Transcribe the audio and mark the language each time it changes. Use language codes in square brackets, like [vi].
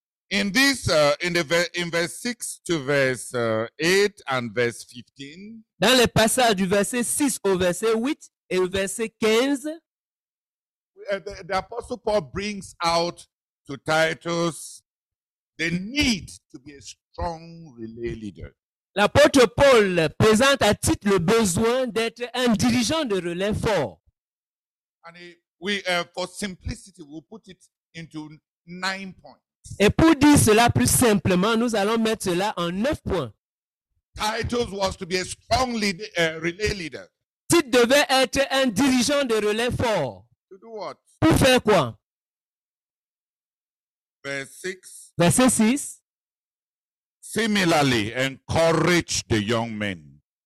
[en] In this, in verse 6 to verse 8 and verse 15. [fr] Dans les passages du verset 6 au verset 8 et au verset 15. [en] The Apostle Paul brings out to Titus the need to be a strong relay leader. [fr] L'apôtre Paul présente à Tite le besoin d'être un dirigeant de relais fort. [en] And for simplicity, we'll put it into 9 points. [fr] Et pour dire cela plus simplement, nous allons mettre cela en 9 points. [en] Titus was to be a strong relay leader. [fr] Tite devait être un dirigeant de relais fort. [en] To do what? [fr] Pour faire quoi? Verset 6. [en] Similarly, encourage the young men.